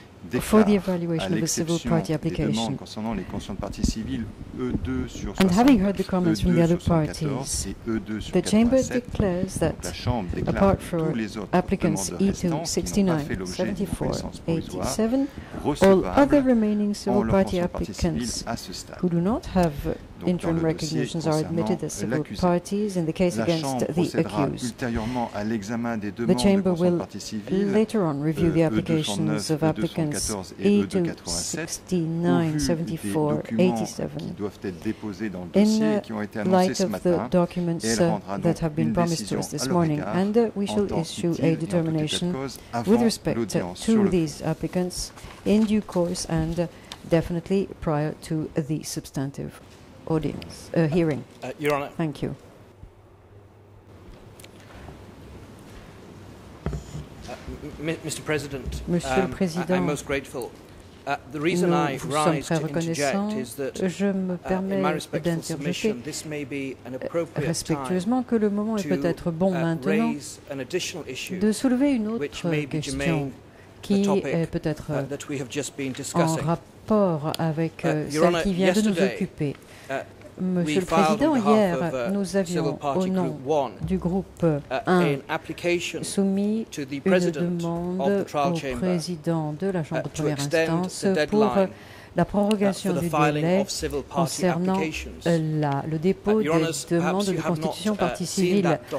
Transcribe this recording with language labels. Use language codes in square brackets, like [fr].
[fr] déclare, à l'exception des demandes concernant les conditions de partie civile E2 sur 64, E2 sur 87, la Chambre déclare que tous les autres demandes restantes qui n'ont pas fait l'objet d'une reconnaissance provisoire recevables en leur conditions de partie civile à ce stade. [en] Interim recognitions are admitted as civil parties in the case against the accused. [fr] Ultérieurement à l'examen des demandes de partie civile, [en] later on review the applications of applicants [fr] E2-69, 74, 87 qui doivent être déposés dans le dossier qui ont été annoncés ce matin, et elle rendra donc une décision à leur regard, [en] and we shall issue a determination with respect to these applicants in due course and definitely prior to the substantive. audience hearing. Your Honor. Thank you. Mr. President, [fr] Monsieur le Président, [en] I'm most grateful. The reason I rise to interject is that, in my respectful submission, this may be an appropriate time [fr] que le moment est peut-être bon maintenant de soulever une autre question qui est peut-être en rapport avec celle qui vient de nous occuper. Monsieur le Président, hier, nous avions, au nom du groupe 1, soumis une demande au président de la Chambre de première instance pour la prorogation du délai concernant le dépôt des demandes de constitution partie civile.